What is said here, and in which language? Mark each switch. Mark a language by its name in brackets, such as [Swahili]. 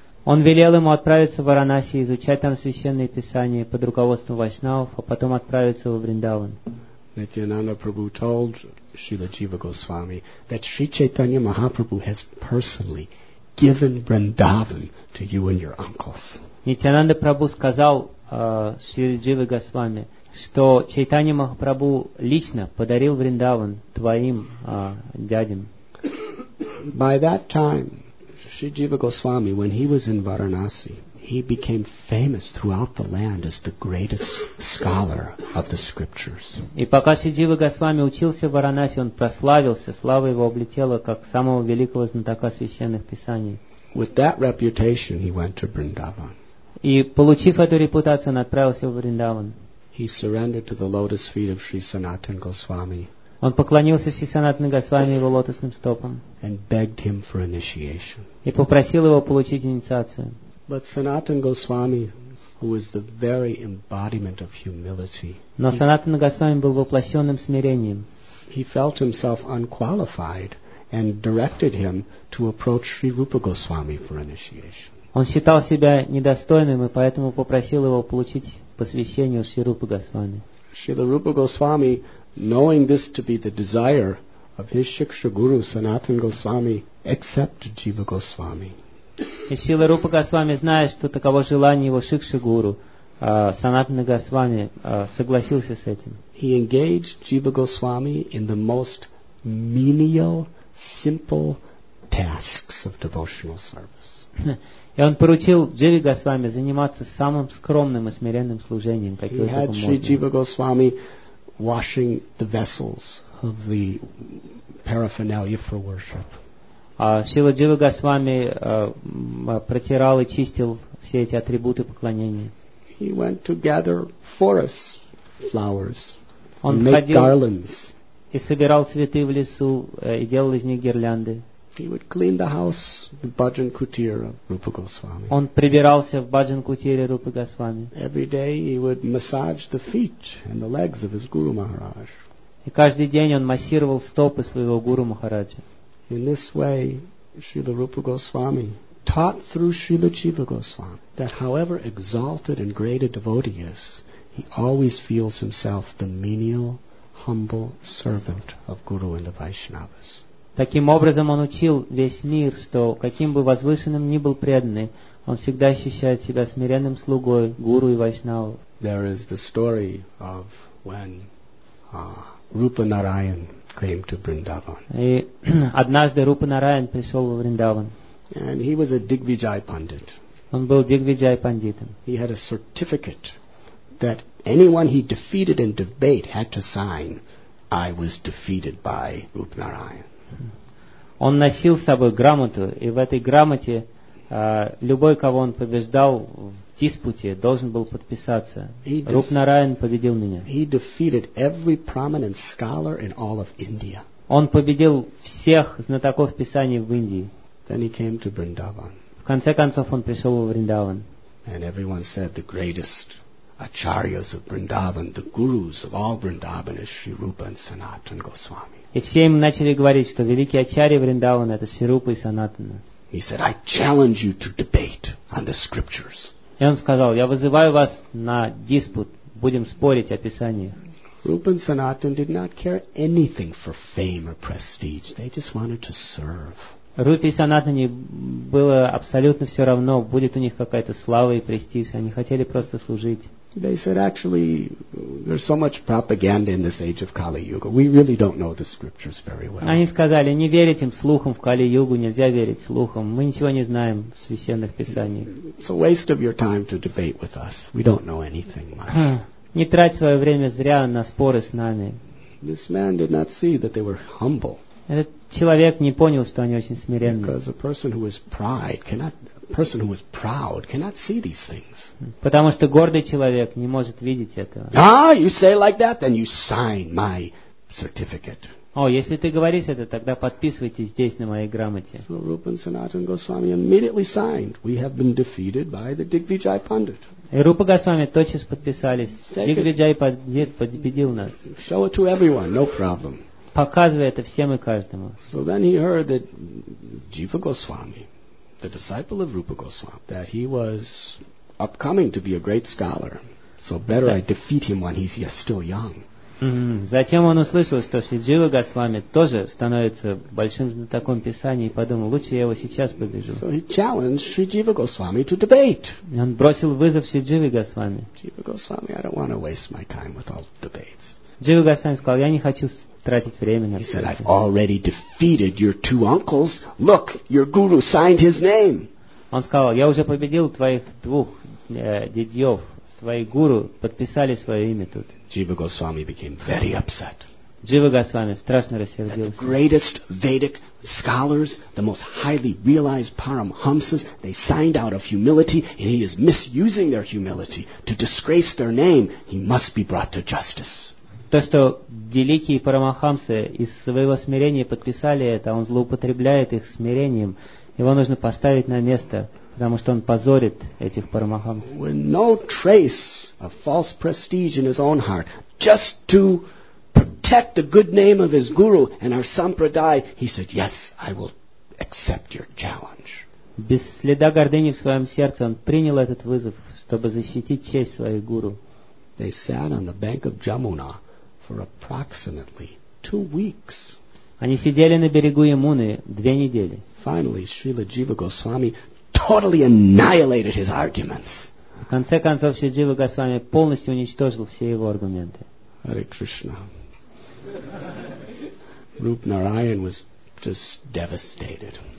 [Russian] Он велел ему отправиться в Варанаси, изучать там священные писания под руководством Вайшнавов, а потом отправиться во Вриндаван. [English] Nityananda Prabhu told Srila Jiva Goswami that Sri Chaitanya Mahaprabhu has personally given Vrindavan to you and your uncles. [Russian] Nityananda Prabhu сказал Srila Jiva Goswami, что Чайтанья Махапрабху лично подарил Вриндаван твоим дядям. [English] By that time, Sri Jiva Goswami, when he was in Varanasi, he became famous throughout the land as the greatest scholar of the scriptures. [Russian] И пока Sri Jiva Goswami учился в Варанаси, он прославился, слава его облетела как самого великого знатока священных писаний. [English] With that reputation, he went to Vrindavan. [Russian] И получив эту репутацию, он отправился в Вриндаван. [English] He surrendered to the lotus feet of Sri Sanatana Goswami. [Russian] Он поклонился Шри Санатана Госвами его лотосным стопам. [English] And begged him for initiation. [Russian] И попросил его получить инициацию. [English] But Sanatana Goswami, who was the very embodiment of humility, [Russian] но Санатана Госвами был воплощенным смирением. [English] He felt himself unqualified and directed him to approach Sri Rupa Goswami for initiation. [Russian] Он считал себя недостойным и поэтому попросил его получить посвящение у Шри Рупы Госвами. [English] Шрила Рупа Госвами, knowing this to be the desire of his Shiksha Guru, Sanatana Goswami, accepted Jiva Goswami. [Russian] И Шрила Рупа Госвами, зная, что таково желание его Шикши Гуру, Санатана Госвами, согласился с этим. [English] He engaged Jiva Goswami in the most menial, simple tasks of devotional service. [Russian] И он поручил Дживе Госвами заниматься самым скромным и смиренным служением, какое только можно. [English] He had Sri Jiva Goswami washing the vessels of the paraphernalia for worship. [Russian] Шрила Джива Госвами протирал и чистил все эти атрибуты поклонения. [English] He went to gather forest flowers, make garlands. [Russian] И собирал цветы в лесу и делал из них гирлянды. [English] He would clean the house, the bhajan kutir of Rupa Goswami. [Russian] Он прибирался в bhajan kutire Rupa Goswami. [English] Every day he would massage the feet and the legs of his Guru Maharaj. [Russian] И каждый день он массировал стопы своего Гуру Махараджа. [English] In this way, Srila Rupa Goswami taught through Srila Jiva Goswami that however exalted and great a devotee is, he always feels himself the menial, humble servant of Guru and the Vaishnavas. [Russian] Таким образом он учил весь мир, что каким бы возвышенным ни был преданный, он всегда ощущает себя смиренным слугой, гуру и вайшнава. [English] There is the story of when Rupa Narayan came to Vrindavan. [Russian] И однажды Рупа Нараян пришел во Вриндаван. [English] And he was a Digvijay Pandit. [Russian] Он был Дигвиджай пандитом. [English] He had a certificate that anyone he defeated in debate had to sign, I was defeated by Rupa Narayan. [Russian] Он носил с собой грамоту, и в этой грамоте любой, кого он побеждал в диспуте, должен был подписаться. Руп Нараян победил меня. [English] He defeated every prominent scholar in all of India. [Russian] Он победил всех знатоков писаний в Индии. [English] Then he came to Vrindavan. [Russian] В конце концов он пришел в Вриндаван. [English] And everyone said the greatest acharyas of Vrindavan, the gurus of all Vrindavan is Sri Rupa and Sanatana Goswami. [Russian] И все им начали говорить, что великий ачарья Вриндавана это Шри Рупа и Санатана. [English] He said, I challenge you to debate on the scriptures. [Russian] И он сказал, я вызываю вас на диспут, будем спорить о писаниях. [English] Rupa and Sanatana did not care anything for fame or prestige. They just wanted to serve. [Russian] Рупе и Санатане было абсолютно все равно, будет у них какая-то слава и престиж. Они хотели просто служить. [English] They said, actually, there's so much propaganda in this age of Kali Yuga. We really don't know the scriptures very well. [Russian] Они сказали, не верить им слухам в Кали Югу, нельзя верить слухам. Мы ничего не знаем в священных писаниях. [English] It's a waste of your time to debate with us. We don't know anything much. [Russian] Не трать свое время зря на споры с нами. [English] This man did not see that they were humble. [Russian] Этот человек не понял, что они очень смиренны. [English] Because a person who is pride cannot. Person who is proud cannot see these things. [Russian] Потому что гордый человек не может видеть этого. [English] Ah, you say like that, then you sign my certificate. [Russian] О, если ты говоришь это, тогда подписывайтесь здесь на моей грамоте. [English] So Rupa and Sanatana Goswami immediately signed. We have been defeated by the Digvijay Pandit. [Russian] И Рупа Госвами тотчас подписались. Дигвиджай Пандит победил нас. [English] Show it to everyone, no problem. [Russian] Показывай это всем и каждому. [English] So then he heard that Jiva Goswami, the disciple of Rupa Goswami, that he was upcoming to be a great scholar. So better I defeat him when he's still young. [Russian] Затем он услышал, что Шриджива Госвами тоже становится большим знатоком Писания, и подумал, лучше я его сейчас побежу. [English] So he challenged Shrijiva Goswami to debate. [Russian] Он бросил вызов Шридживе Госвами. [English] Shrijiva Goswami, I don't want to waste my time with all the debates. [Russian] Шриджива Госвами сказал, я не хочу тратить время на это. [English] He said, I've already defeated your two uncles. Look, your guru signed his name. [Russian] Он сказал, я уже победил твоих двух дядьев. Твои гуру подписали свое имя тут. [English] Jiva Goswami became very upset. [Russian] Jiva Goswami страшно рассердился. [English] The greatest Vedic scholars, the most highly realized paramhamsas, they signed out of humility, and he is misusing their humility to disgrace their name. He must be brought to justice. [Russian] То, что великие парамахамсы из своего смирения подписали это, он злоупотребляет их смирением. Его нужно поставить на место. Потому что он позорит этих парамахамс. [English] With no trace of false prestige in his own heart, just to protect the good name of his guru and our sampradaya, he said, "Yes, I will accept your challenge." [Russian] Без следа гордыни в своем сердце он принял этот вызов, чтобы защитить честь своих гуру. [English] They sat on the bank of Jamuna for approximately 2 weeks. [Russian] Они сидели на берегу Ямуны 2 недели. [English] Finally, Srila Jiva Goswami totally annihilated his arguments. [Russian] В конце концов, Шриджива Госвами полностью уничтожил все его аргументы. [English] Hare Krishna. Rup Narayan was just devastated.